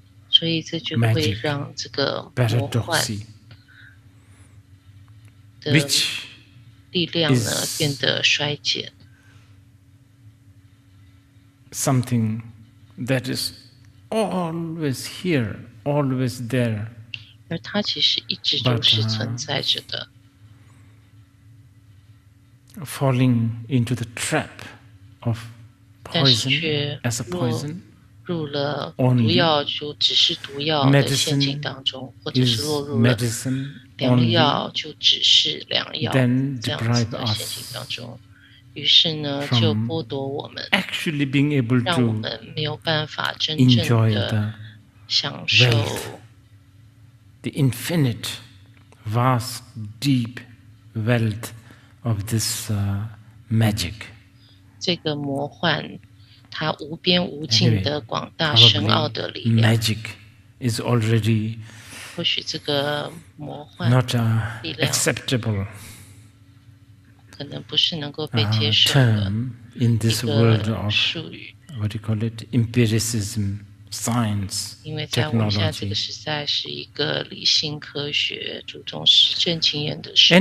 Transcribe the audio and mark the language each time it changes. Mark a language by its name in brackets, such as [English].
[Chinese] 所以这就会让这个魔幻的力量呢变得衰减。 [English] Something that is always here, always there. [Chinese] 而它其实一直就是存在着的。 [English] Falling into the trap of poison as a poison, [Chinese] 入了毒药就只是毒药的陷阱当中，或者是落入了良药就只是良药这样子的陷阱当中。于是呢，就剥夺我们 [English] actually being able to [Chinese] 让我们没有办法真正的享受 [English] the infinite, vast, deep wealth. Of this magic. [Chinese] 这个魔幻，它无边无尽的广大深奥的力量。 [English] Anyway, magic is already. [Chinese] 或许这个魔幻。 [English] Not acceptable. [Chinese] 可能不是能够被接受的。 [English] Term in this world of what do you call it? Empiricism, science, technology. [Chinese] 因为在我们现在这个时代，是一个理性科学、注重实证经验的时代。